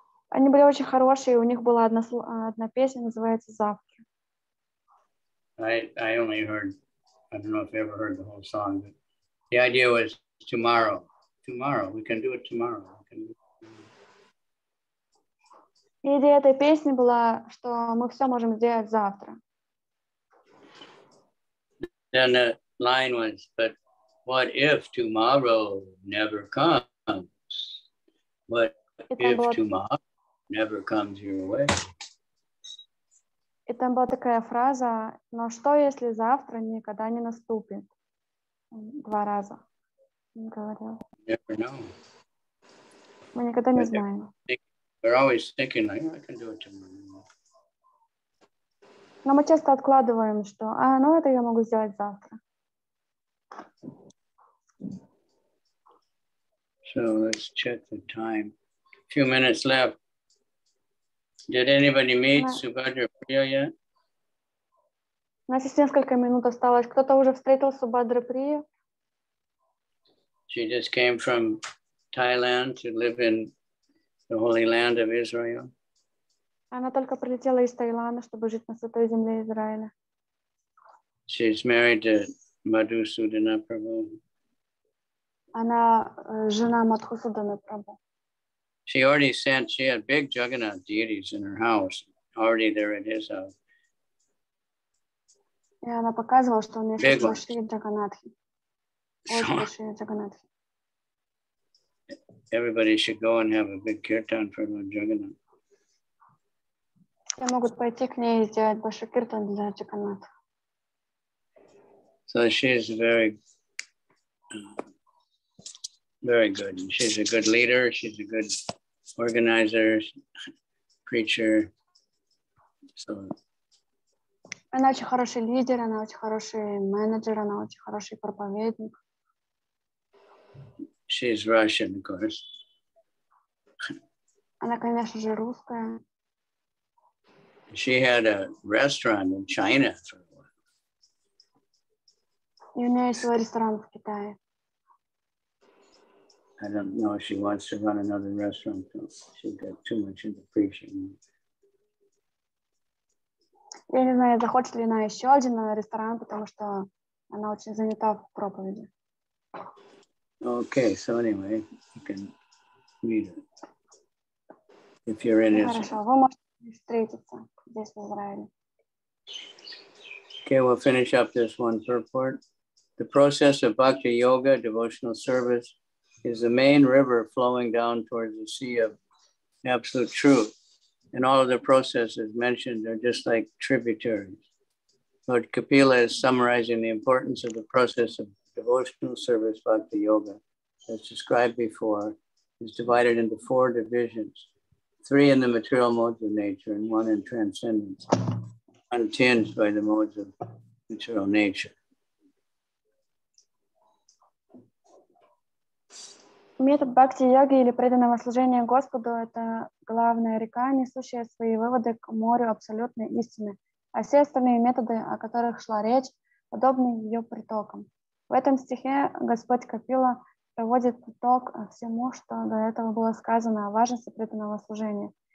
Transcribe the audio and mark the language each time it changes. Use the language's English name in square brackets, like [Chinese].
[Russian] Они были очень хорошие, у них была одна песня, называется «Завтра». [English] I only heard, I don't know if you ever heard the whole song, but the idea was tomorrow. Tomorrow, we can do it tomorrow. [Russian] Идея этой песни была, что мы все можем сделать завтра. [English] Then the line was, but what if tomorrow never comes? What if tomorrow never comes your way? [Russian] И там была такая фраза, но что если завтра никогда не наступит? Два раза. Говорил. [English] Never know. [Russian] Мы никогда не знаем. [English] We're always thinking, like, I can do it tomorrow. [Russian] Но мы часто откладываем, что, это я могу сделать завтра. [English] So let's check the time. A few minutes left. Did anybody meet Subhadra Priya yet? [Russian] У нас есть несколько минут осталось. Кто-то уже встретил Субхадру Прию? [English] She just came from Thailand to live in the Holy Land of Israel. [Russian] Она только прилетела из Таиланда, чтобы жить на святой земле Израиля. [English] She's married to Madhusudana Prabhu. [Russian] Она жена Мадхусудана Прабху. [English] She already sent, she had big Jagannath deities in her house, already there at his house. [Russian] И она показывала, что у нее есть большие джаганатхи. Большие джаганатхи. [English] Everybody should go and have a big kirtan for Lord Jagannath. [Russian] Все могут пойти к ней и сделать большой киртан для Джаганатха. [English] So she is very... Very good. She's a good leader. She's a good organizer, preacher. So. [Russian] Она очень хороший лидер. Она очень хороший менеджер. Она очень хороший проповедник. [English] She's Russian, of course. [Russian] Она, конечно же, русская. [English] She had a restaurant in China for a while. [Russian] И у нее есть свой ресторан в Китае. [English] I don't know if she wants to run another restaurant. She's got too much into preaching. [Russian] Я не знаю, захочет ли она еще один ресторан, потому что она очень занята в проповеди. [English] Okay, so anyway, you can meet her. If you're in Israel. [Russian] Хорошо, вы можете встретиться здесь, в Израиле. [English] Okay, we'll finish up this one purport. The process of bhakti yoga, devotional service, is the main river flowing down towards the sea of absolute truth. And all of the processes mentioned are just like tributaries. Lord Kapila is summarizing the importance of the process of devotional service, bhakti yoga, as described before, is divided into four divisions, three in the material modes of nature and one in transcendence, untinged by the modes of material nature. [Russian] Метод бхакти-йоги или преданного служения Господу — это главная река, несущая свои выводы к морю абсолютной истины, а все остальные методы, о которых шла речь, подобны ее притокам. В этом стихе Господь Капила проводит итог всему, что до этого было сказано о важности преданного служения.